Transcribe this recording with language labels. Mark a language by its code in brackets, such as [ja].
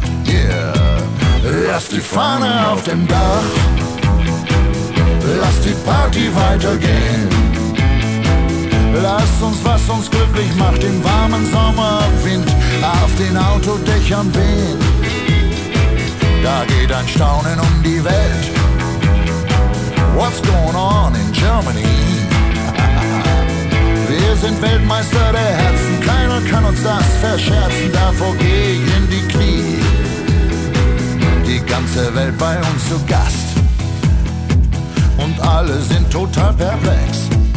[de] Yeah, lass die Fahne auf dem Dach, lass die Party weitergehen. Lass uns, was uns glücklich macht, im warmen Sommerwind auf den Autodächern wehen. Da geht ein Staunen um die Welt. [en] What's going on in Germany? [de] Wir sind Weltmeister der Herzen, keiner kann uns das verscherzen, davor geh ich in die Knie. Die ganze Welt bei uns zu Gast und alle sind total perplex.